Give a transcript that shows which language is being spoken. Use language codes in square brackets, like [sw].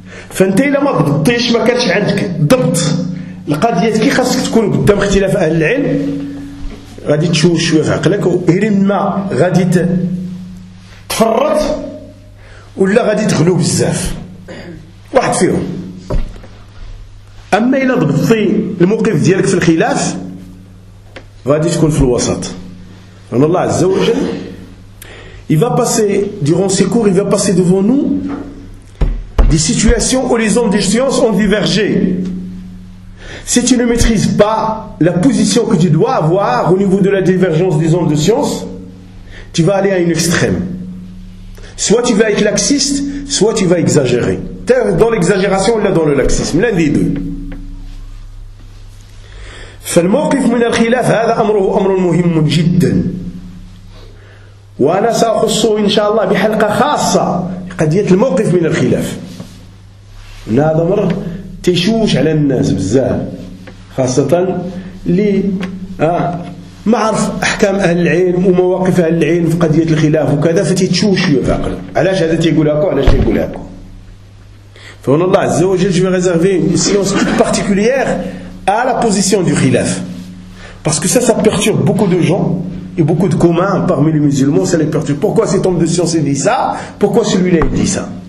[ar] فانت الا ما ضبطيش ما كانش عندك ضبط القضية كي خاصك تكون قدام اختلاف أهل العلم غادي تشوف شوية في عقلك ما غادي تفرط ولا غادي تغلو بزاف واحد فيهم. أما إلا ضبطي الموقف ديالك في الخلاف غادي تكون في الوسط. أن الله عز وجل [fr] il va passer durant ses cours, il va passer devant nous des situations où les hommes des sciences ont divergé. Si tu ne maîtrises pas la position que tu dois avoir au niveau de la divergence des hommes de science, tu vas aller à une extrême. Soit tu vas être laxiste, soit tu vas exagérer. T'es dans l'exagération ou là dans le laxisme, l'un des deux. [ar] فالموقف من الخلاف هذا أمره أمر مهم جدا. وأنا سأخصه إن شاء الله بحلقة خاصة قضية الموقف من الخلاف. هذا أمر تشوش على الناس بزاف خاصة اللي ما عرف أحكام أهل العلم ومواقف أهل العلم في قضية الخلاف وكذا فتتشوش شوية في عقل علاش هذا تيقول هكا علاش تيقول هكا. فهنا الله عز وجل [fr] جو ريزرفي اون سيونس توت بارتيكولييغ à la position du khilaf. Parce que ça, ça perturbe beaucoup de gens et beaucoup de communs parmi les musulmans, ça les perturbe. Pourquoi cet homme de science a dit ça? Pourquoi celui-là a dit ça?